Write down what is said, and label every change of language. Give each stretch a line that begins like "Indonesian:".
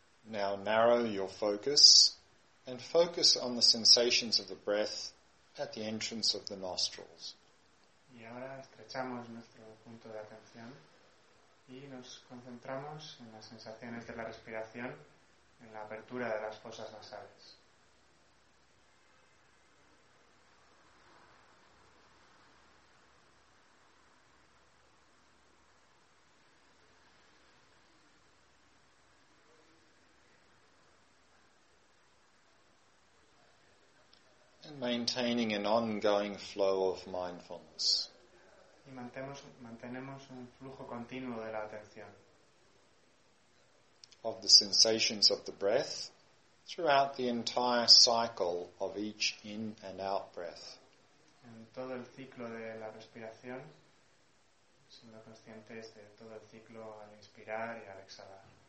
English: Now narrow your focus and focus on the sensations of the breath at the entrance of the nostrils.
Spanish: Y ahora estrechamos nuestro punto de atención y nos concentramos en las sensaciones de la respiración en la apertura de las fosas nasales.
English: Maintaining an ongoing flow of mindfulness.
Spanish: Y mantenemos un flujo continuo de la atención.
English: Of the sensations of the breath throughout the entire cycle of each in and out breath.
Spanish: En todo el ciclo de la respiración, siendo conscientes de todo el ciclo al inspirar y al exhalar.